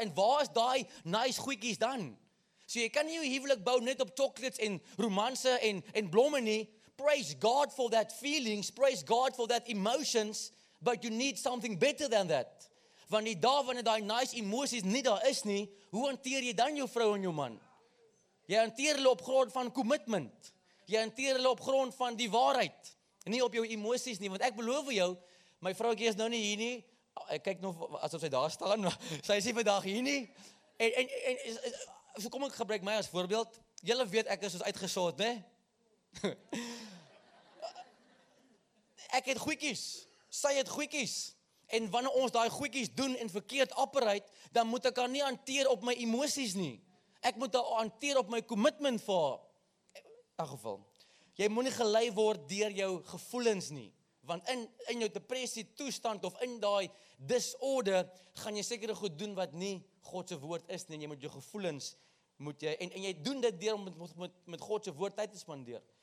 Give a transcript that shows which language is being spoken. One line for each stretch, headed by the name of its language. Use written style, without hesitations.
Afrikaans: En waar is daai nice goedjies dan? So jy kan nie jou huwelik bou net op chocolates en romanse en blomme nie.
English: Praise God for that feelings, praise God for that emotions, but you need something better than that.
Afrikaans: Want die dag wanneer daai nice emoties nie daar is nie, hoe hanteer jy dan jou vrou en jou man? Jy hanteer hulle op grond van commitment. Jy hanteer hulle op grond van die waarheid. Nie op jou emoties nie, want ek beloof jou, my vrouwtjie is nou nie hier nie. Ek kyk nog asof sy daar staan, maar sy is nie vandag hier nie. En so kom ek gebruik my as voorbeeld. Julle weet ek is ons uitgesort, ne? Ek het goedjies. Sy het goedjies. En wanneer ons daai goedjies doen en verkeerd operate, dan moet ek haar nie hanteer op my emoties nie. Ek moet haar hanteer op my commitment vir haar. In geval, jy moet nie gelei word deur jou gevoelens nie. Want in jou depressie toestand of in daai disorder, gaan jy sekere goed doen wat nie God se woord is nie. En jy moet jou gevoelens, moet jy, en jy doen dit deur om met God se woord tyd te spandeer.